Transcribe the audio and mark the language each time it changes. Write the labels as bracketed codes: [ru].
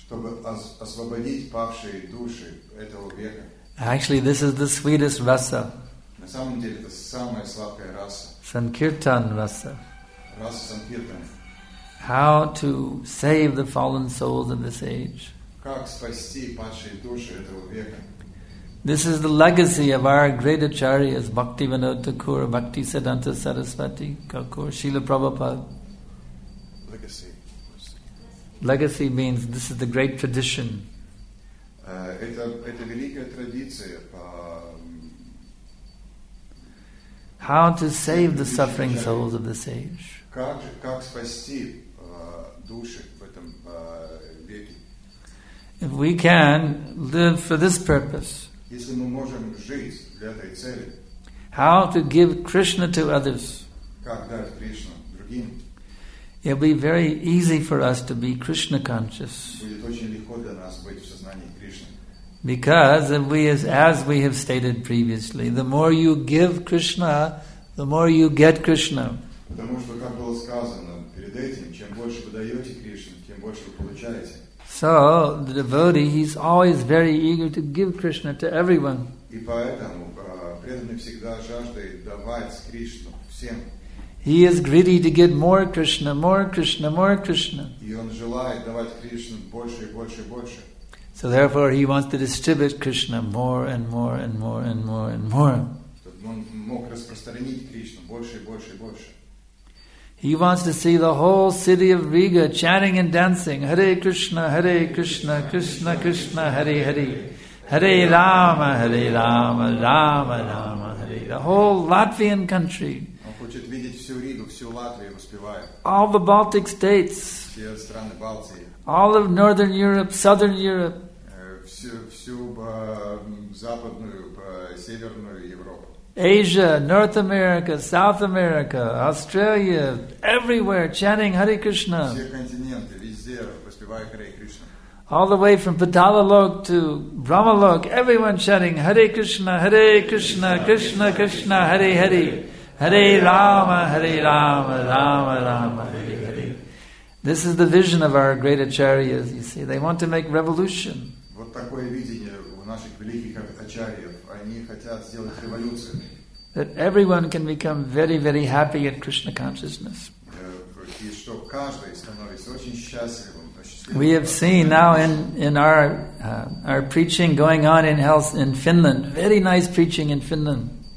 [ru] чтобы освободить павшие души этого века. [en] Actually, this is the sweetest rasa. [ru] На самом деле, это самая сладкая раса. [en] Sankirtan rasa. [ru] Раса Sankirtan. [en] How to save the fallen souls of this age? [ru] Как спасти павшие души этого века? [en] This is the legacy of our great acharyas, Bhaktivinoda Thakur, Bhaktisiddhanta Sarasvati Thakur, Srila Prabhupada. Legacy means this is the great tradition. [ru] Это великая традиция по [en] how to save the suffering souls of this age. [ru] Как спасти души в этом веке? [en] If we can live for this purpose, [ru] если мы можем жить для этой цели, [en] how to give Krishna to others? [ru] Как дать Кришну другим? [en] It'll be very easy for us to be Krishna conscious. [ru] Будет очень легко для нас быть в сознании Кришны. [en] Because if we, as we have stated previously, the more you give Krishna, the more you get Krishna. [ru] Потому что, как было сказано перед этим, чем больше вы даете Кришне, тем больше вы получаете. [en] So the devotee, he's always very eager to give Krishna to everyone. [ru] И поэтому преданный всегда жаждет давать Кришну всем. [en] He is greedy to get more Krishna, more Krishna, more Krishna. [ru] И он желает давать Кришне больше и больше и больше. [en] So therefore he wants to distribute Krishna more and more and more and more and more. [ru] Чтобы он мог распространить Кришну больше и больше и больше. [en] He wants to see the whole city of Riga chanting and dancing. [sa] Hare Krishna, Krishna, Krishna, Hare Hare. Hare Rama, Rama, Rama, Hare. [en] The whole Latvian country. [ru] Хочет видеть всю Ригу, всю Латвию успевает. [en] All the Baltic states. [ru] Все страны Балтии. [en] All of Northern Europe, Southern Europe. [ru] Всю западную, северную Европу. [en] Asia, North America, South America, Australia, everywhere chanting Hare Krishna. [ru] Все континенты, везде успевает Hare Krishna. [en] All the way from Patalalok to Brahmalok, everyone chanting [sa] Hare Krishna, Hare Krishna, Krishna, Krishna, Hare Hare. Hare Rama, Hare Rama, Rama Rama, Hare Hare. [en] This is the vision of our great acharyas, you see. They want to make revolution. [ru] Вот такое видение у наших великих ачарьев. Они хотят сделать революцию. [en] That everyone can become very, very happy in Krishna consciousness. [ru] И что каждый становится очень счастливым. [en] We have seen now in our preaching going on in health in Finland. Very nice preaching in Finland.